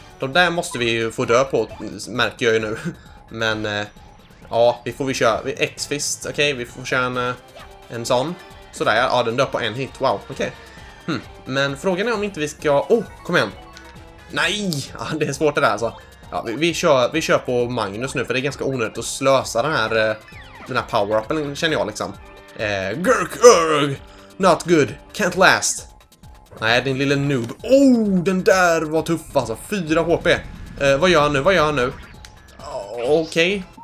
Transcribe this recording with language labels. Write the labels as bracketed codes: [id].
[sv] De där måste vi ju få dö på, märker jag ju nu. Men, ja, vi får vi köra X-Fist. Okej, okay, vi får köra en sån. Sådär, ja, den dör på en hit. Wow, okej. Okay. Men frågan är om inte vi ska... Oh, kom igen. Nej, ja, det är svårt det där alltså. Ja, vi kör på Magnus nu, för det är ganska onödigt att slösa den här power-upen, känner jag liksom. [en] Gurk, urg, not good, can't last. [sv] Nej, din lilla noob. Oh, den där var tuff alltså, 4 HP. Vad gör han nu? Okej, okay.